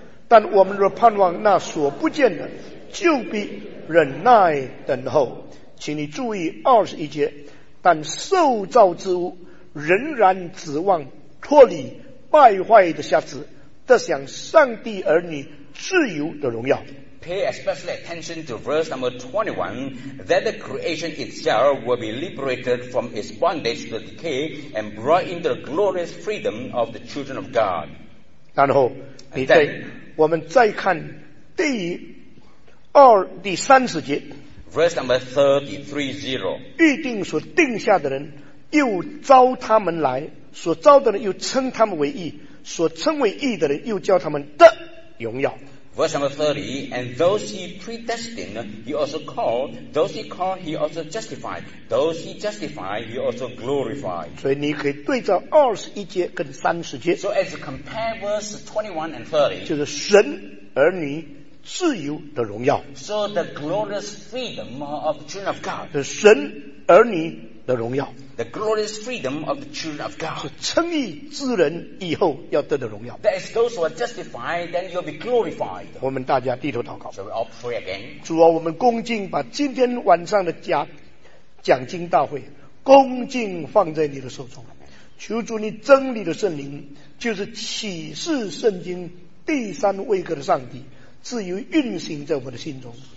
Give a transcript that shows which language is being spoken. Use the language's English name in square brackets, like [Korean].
[Chinese] 但我们若盼望那所不见的，就必忍耐等候。请你注意二十一节，但受造之物仍然指望脱离败坏的辖制，得享上帝儿女自由的荣耀。 [English] Pay especially attention to verse number 21, that the creation itself will be liberated from its bondage to decay and brought into the glorious freedom of the children of God. [Chinese] 然后你再我们再看第三十节 [English] verse number 33:0, [Chinese] 预定所定下的人又招他们来，所招的人又称他们为义，所称为义的人又叫他们的荣耀。 [English] Verse number 30, and those he predestined, he also called; those he called, he also justified; those he justified, he also glorified. [Chinese] 所以你可以对照二十一节跟三十节。 [English] So as you compare verse 21 and 30, [Chinese] 就是神儿女自由的荣耀。 [English] So the glorious freedom of the children of God. [Chinese] 是神儿女的荣耀。 [English] The glorious freedom of the children of God. [Chinese] 是称义之人以后要得的荣耀。 [English] That is those who are justified, then you'll be glorified. [Chinese] 我们大家低头祷告。 [English] So we all pray again. [Chinese] 主啊，我们恭敬把今天晚上的讲经大会恭敬放在你的手中，求主你真理的圣灵，就是启示圣经第三位格的上帝，自由运行在我们的心中。